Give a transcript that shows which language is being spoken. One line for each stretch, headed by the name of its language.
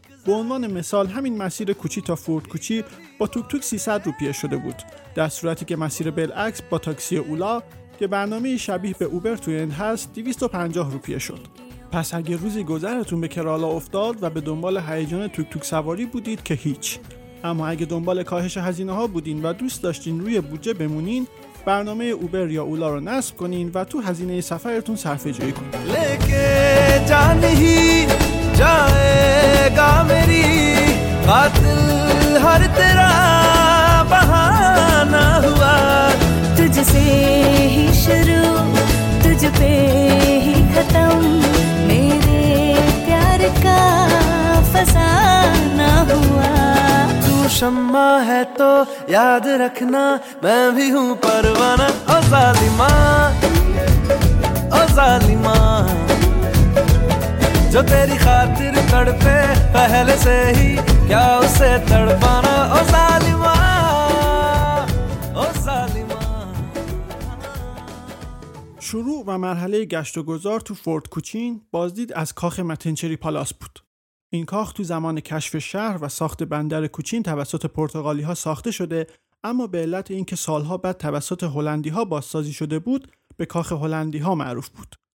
Persian: به عنوان مثال همین مسیر کوچی تا فورت کوچی با توک توک 300 روپیه شده بود، در صورتی که مسیر بالعکس با تاکسی اولا که برنامه شبیه به اوبر توی اند هست 250 روپیه شد. پس اگه روزی گذرتون به کرالا افتاد و به دنبال هیجان توک توک سواری بودید که هیچ، اما اگه دنبال کاهش هزینه ها بودین و دوست داشتین روی بودجه بمونین، برنامه اوبر یا اولا رو نصب کنین و تو هزینه سفرتون صرفه جویی کنین.
Urdu: لیکن جان ہی جائے گا میری قاتل ہر تیرا بہانہ ہوا تجھ سے ہی شروع تجھ پہ ہی ختم میرے پیار کا فسانہ ہوا شمع ہے تو یاد رکھنا میں بھی ہوں پروانہ او ظالماں او ظالماں جو تیری خاطر تڑپے پہلے سے ہی کیا اسے تڑپانا او ظالماں او ظالماں.
Persian: شروع و مرحله گشت و گذار تو فورت کوچین بازدید از کاخ متنچری پالاس بود. این کاخ تو زمان کشف شهر و ساخت بندر کوچین توسط پرتغالی ها ساخته شده، اما به علت اینکه سالها بعد توسط هلندی ها بازسازی شده بود به کاخ هلندی ها معروف بود.